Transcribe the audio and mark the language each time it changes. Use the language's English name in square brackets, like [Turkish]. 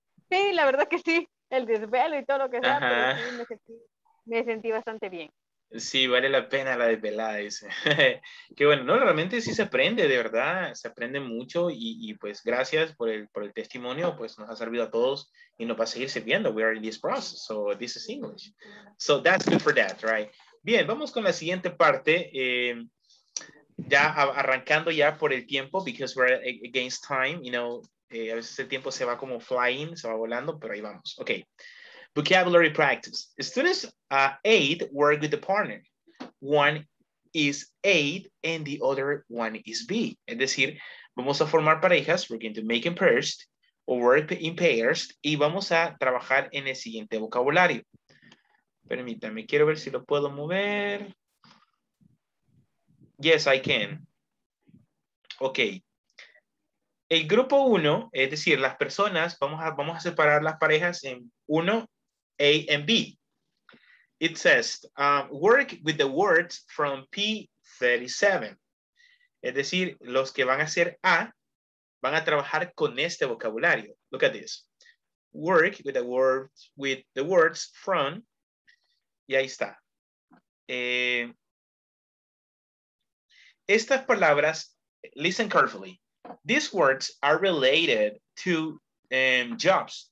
[Spanish] Sí, la verdad que sí, el desvelo y todo lo que sea, pero sí, me sentí bastante bien. Sí, vale la pena la desvelada, dice. Qué bueno, no, realmente sí se aprende, de verdad, se aprende mucho y pues gracias por el testimonio, pues nos ha servido a todos y nos va a seguir sirviendo. [English] We are in this process, so this is English. So that's good for that, right? [Spanish] Bien, vamos con la siguiente parte, ya arrancando ya por el tiempo, [English] because we're against time, you know, [Spanish] a veces el tiempo se va como flying, se va volando, pero ahí vamos. Okay. [English] Vocabulary practice. Students 8 work with a partner. One is A and the other one is B. [Spanish] Es decir, vamos a formar parejas. [English] We're going to make in pairs or work in pairs. [Spanish] Y vamos a trabajar en el siguiente vocabulario. Permítame, quiero ver si lo puedo mover. [English] Yes, I can. Okay. [Spanish] El grupo 1, es decir, las personas, vamos a separar las parejas en 1. [English] A and B. It says, work with the words from P37. [Spanish] Es decir, los que van a hacer A van a trabajar con este vocabulario. [English] Look at this. Work with the words from. [Spanish] Y ahí está. Estas palabras, [English] listen carefully. These words are related to jobs.